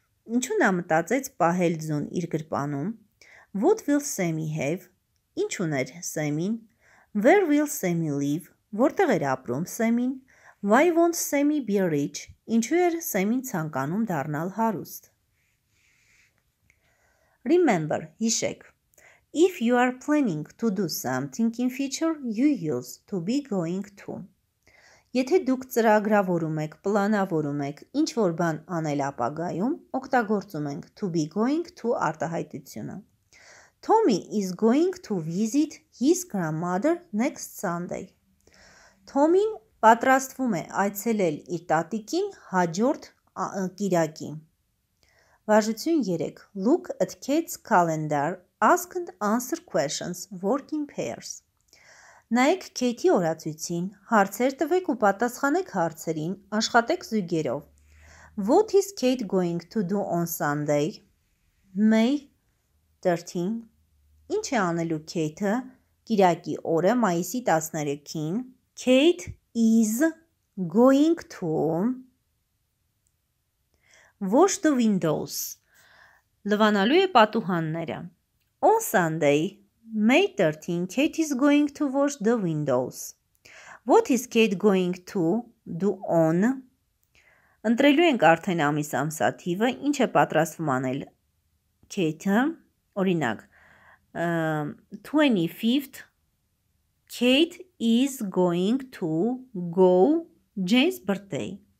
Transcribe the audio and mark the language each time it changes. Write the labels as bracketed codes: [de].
[hy] Ինչու նա մտածեց պահել ձուն իր գրպանում? [en] What will Sammy have? [hy] Ինչ ուներ Սեմին? [en] Where will Sammy live? [hy] Որտեղ էր ապրում Սեմին? [en] Why won't Sammy be rich? [hy] Ինչու էր Սեմին ցանկանում դառնալ հարուստ? [en] Remember, [hy] հիշեք. [en] If you are planning to do something in future, you use to be going to. [hy] Եթե դուք ծրագրավորում եք, պլանավորում եք ինչ-որ բան անել ապագայում, օգտագործում ենք [en] to be going to [hy] արտահայտությունը. [en] Tommy is going to visit his grandmother next Sunday. [hy] Թոմին պատրաստվում է այցելել իր տատիկին հաջորդ կիրակի։ Վարժություն 3. [en] Look at Kate's calendar. Ask and answer questions. Work in pairs. [hy] Նայեք Kate-ի օրացույցին, հարցեր տվեք ու պատասխանեք հարցերին, աշխատեք զույգերով. [en] What is Kate going to do on Sunday? May 13. [hy] Ինչ է անելու Kate-ը կիրակի օրը մայիսի 13-ին? [en] Kate is going to wash the windows. [hy] Լվանալու է պատուհանները. [en] On Sunday, May 13, Kate is going to wash the windows. What is Kate going to do on? [hy] Ընտրելու ենք արդեն ամիս ամսաթիվը, ինչ է պատրաստվում անել Kate-ը, օրինակ, 25th, [en] Kate is going to go Jane's birthday.